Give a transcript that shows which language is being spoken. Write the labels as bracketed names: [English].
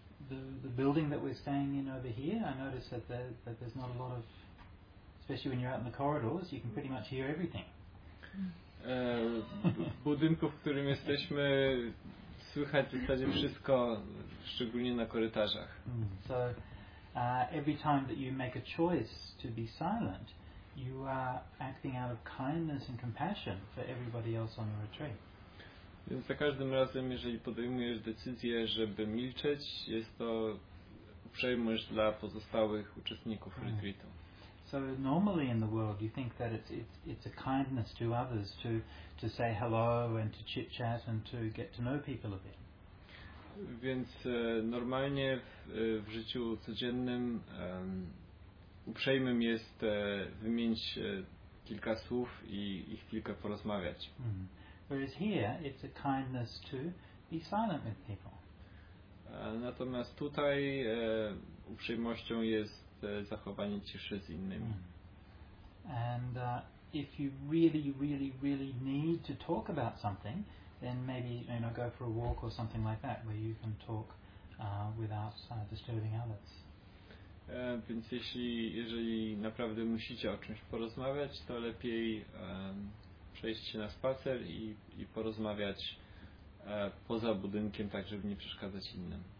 [English] The building that we're staying in over here, I noticed that there's not a lot of, especially when you're out in the corridors, you can pretty much hear everything. [Polish] W budynku, w którym jesteśmy, słychać w zasadzie wszystko, szczególnie na korytarzach. [English] So every time that you make a choice to be silent, you are acting out of kindness and compassion for everybody else on the retreat. [Polish] Więc za każdym razem, jeżeli podejmujesz decyzję, żeby milczeć, jest to uprzejmość dla pozostałych uczestników retreatu. [English] So normally in the world you think that it's a kindness to others to say hello and to chit chat and to get to know people a bit. [Polish] Więc normalnie w życiu codziennym uprzejmym jest wymienić kilka słów i ich kilka porozmawiać. [English] Whereas here it's a kindness to be silent with people. [Polish] Natomiast tutaj uprzejmością jest zachowanie ciszy z innymi. [English] And if you really, really, really need to talk about something, then maybe, you know, go for a walk or something like that, where you can talk without disturbing others. [Polish] Więc jeżeli naprawdę musicie o czymś porozmawiać, to lepiej przejść na spacer i porozmawiać poza budynkiem, tak żeby nie przeszkadzać innym.